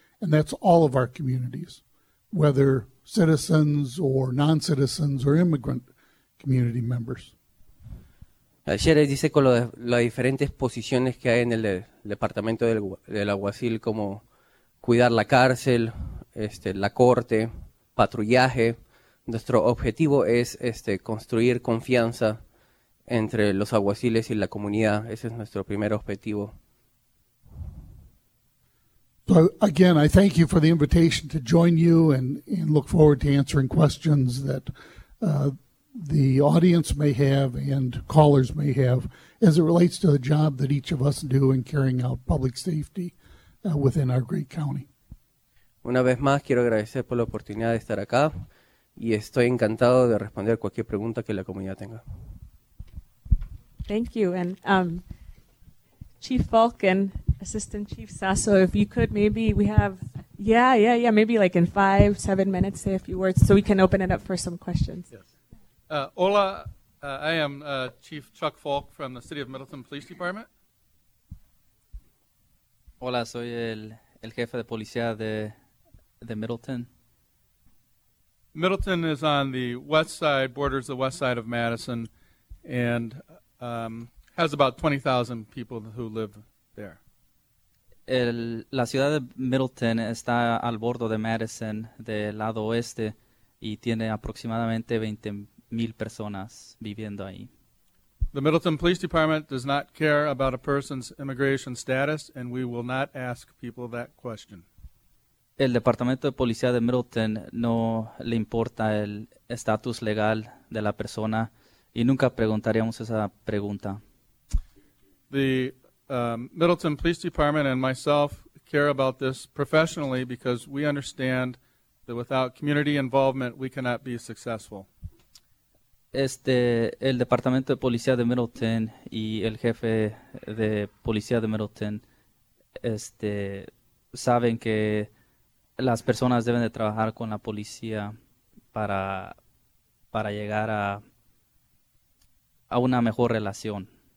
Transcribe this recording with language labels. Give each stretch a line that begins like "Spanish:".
English: And that's all of our communities, whether citizens or non-citizens or immigrant community members.
Spanish: El sheriff dice con las diferentes posiciones que hay en el departamento del alguacil, como cuidar la cárcel, la corte, patrullaje. Nuestro objetivo es construir confianza entre los alguaciles y la comunidad. Ese es nuestro primer objetivo.
English: So again, I thank you for the invitation to join you and look forward to answering questions that the audience may have and callers may have as it relates to the job that each of us do in carrying out public safety within our great county.
Spanish: Una vez más, quiero agradecer por la oportunidad de estar acá y estoy encantado de responder cualquier pregunta que la comunidad tenga.
English: Thank you. And Chief Falk and Assistant Chief Sasso, if you could maybe, we have, yeah, maybe like in 5-7 minutes, say a few words so we can open it up for some questions. Yes. Hola, I am Chief Chuck Falk from the City of Middleton Police Department.
Spanish: Hola, soy el jefe de policía de Middleton.
English: Middleton is on the west side, borders the west side of Madison, and has about 20,000 people who live there.
Spanish: La ciudad de Middleton está al borde de Madison, del lado oeste, y tiene aproximadamente 20,000 personas viviendo ahí.
English: The Middleton Police Department does not care about a person's immigration status, and we will not ask people that question.
Spanish: El Departamento de Policía de Middleton no le importa el estatus legal de la persona, y nunca preguntaríamos esa pregunta.
English: The Middleton Police Department and myself care about this professionally because we understand that without community involvement, we cannot be successful.
Spanish: El Departamento de Policía de Middleton y el jefe de Policía de Middleton saben que las personas deben de trabajar con la policía para llegar a una mejor relación.